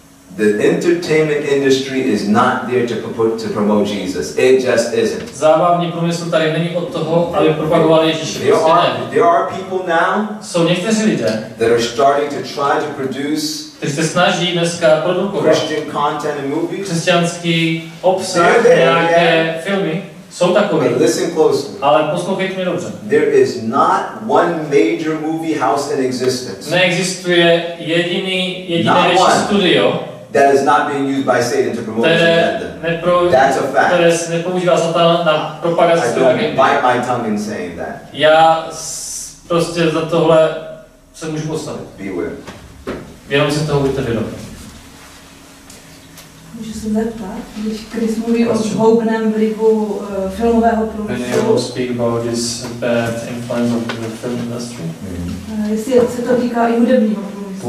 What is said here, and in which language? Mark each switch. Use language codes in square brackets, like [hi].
[en] The entertainment industry is not there to promote Jesus. It just isn't. [cs] Zábavní průmysl tady není od toho, aby propagoval Ježíše. [en] There are people now. [cs] Jsou někteří lidé. [en] That are starting to try to produce. [cs] Kteří se snaží dneska produkovat. [en] Christian content and movies. [cs] Křesťanský obsah, nějaké filmy. Jsou takové. [en] Listen closely. [cs] Ale poslouchejte mě dobře. [en] There is not one major movie house in existence. [cs] Neexistuje jediné studio. [en] That is not being used by Satan to promote his agenda. That's a fact. [cs] Které se nepoužívá Satan na propagaci své agendy. [en] I don't bite my tongue in saying that. [cs] Já prostě za tohle se můžu postavit. [en] Beware. [cs] Jenom si toho buďte vědomi. Můžu se zeptat, když Chris mluví o zhoubném vlivu filmového průmyslu. [en] Can you speak about this bad influence of the film industry? [cs] Jestli se to týká i hudebního průmyslu.